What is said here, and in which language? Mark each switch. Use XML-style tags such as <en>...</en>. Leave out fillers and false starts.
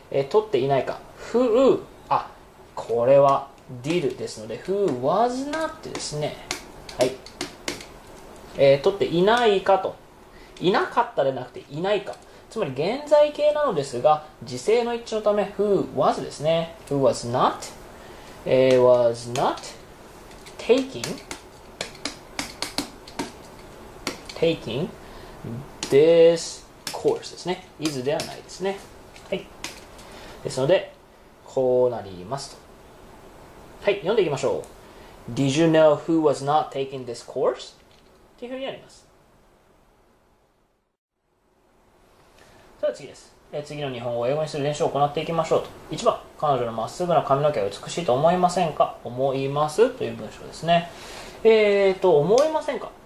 <ja>取っていないか、who、 あ、これは did ですので、who was not ですね。はい。取っていないかと、いなかったでなくていないか、つまり現在形なのですが、時制の一致のため who was ですね。</ja> <en>who was not、was not taking taking this course</en> <ja>ですね。 is ではないですね。はい。ですのでこうなりますと。はい、読んでいきましょう。</ja> <en>Did you know who was not taking this course?</en> <ja>っていうふうにやります。それでは次です。次の日本語を英語にする練習を行っていきましょうと。1番、彼女のまっすぐな髪の毛は美しいと思いませんか? 思いますという文章ですね。思いませんか?</ja>